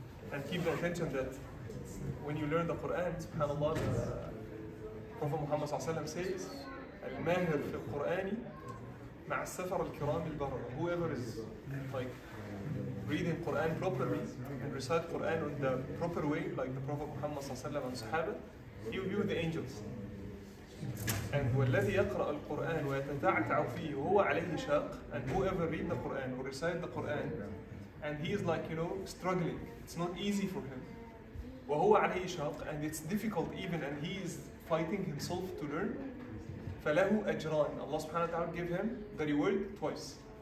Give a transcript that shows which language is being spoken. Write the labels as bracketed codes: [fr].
[en] And keep the attention that when you learn the Quran, subhanAllah, the Prophet Muhammad sallallahu alayhi wa sallam says, [ar] al-mahir fi al-Qur'ani ma' al-safar al-kiram al-barra. [en] Whoever is like reading Quran properly and recite Quran in the proper way, like the Prophet Muhammad sallallahu alayhi wa sallam and sahaba, he will be with the angels. And [ar] والذي يقرأ القرآن ويتتعتع فيه هو عليه شاق. [en] And whoever read the Quran or recite the Quran, and he is like, you know, struggling, it's not easy for him. [ar] وهو عليه شاق, [en] and it's difficult even, and he is fighting himself to learn. [ar] فله أجران. [en] Allah [ar] سبحانه وتعالى [en] give him the reward twice.